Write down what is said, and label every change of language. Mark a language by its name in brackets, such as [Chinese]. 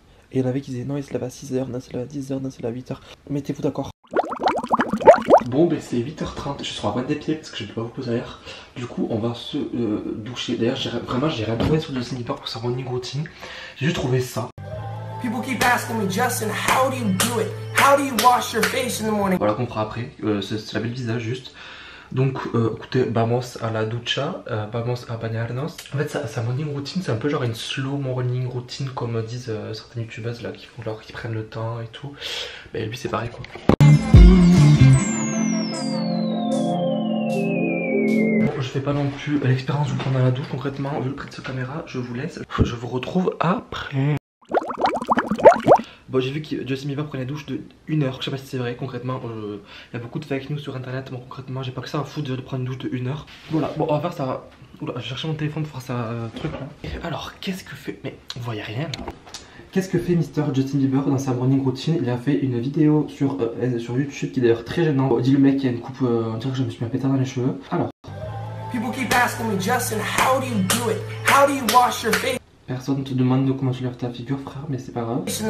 [French] Et il y en avait qui disaient non, il se lève à 6h, non, c'est là à 10h, non, c'est là à 8h. Mettez-vous d'accord. Bon, ben c'est 8h30, je suis sur la pointe des pieds parce que je peux pas vous poser l'air. Du coup, on va se doucher. D'ailleurs, j'ai rien trouvé sur le Justin Bieber pour sa morning routine, j'ai juste trouvé ça. [English] People keep asking me, Justin, how do you do it? How do you wash your face in the morning? [French] Voilà qu'on fera après, c'est la belle visage juste. Donc écoutez, [Spanish] vamos a la ducha, vamos a bañarnos. [French] En fait, sa morning routine, c'est un peu genre une slow morning routine comme disent certaines youtubeuses là, qui prennent le temps et tout. Mais lui, c'est pareil quoi. Je fais pas non plus l'expérience de prendre la douche concrètement, vu le prix de cette caméra, je vous laisse. Je vous retrouve après. Bon, j'ai vu que Justin Bieber prenait la douche de 1h. Je sais pas si c'est vrai concrètement. Il y a beaucoup de fake news sur internet. Bon, concrètement, j'ai pas que ça à foutre de prendre une douche de 1h. Voilà, bon, on va faire ça. Oula, je vais chercher mon téléphone pour faire ça truc là. Alors, qu'est-ce que fait. Mais vous voyez rien là. Qu'est-ce que fait Mister Justin Bieber dans sa morning routine? Il a fait une vidéo sur YouTube qui est d'ailleurs très gênant. Bon, dis le mec qui a une coupe. On dirait que je me suis mis un pétard dans les cheveux. Alors. [English] People keep asking me, Justin, how do you do it? How do you wash your face? [French] Personne ne te demande de comment tu lèves ta figure, frère, mais c'est pas grave.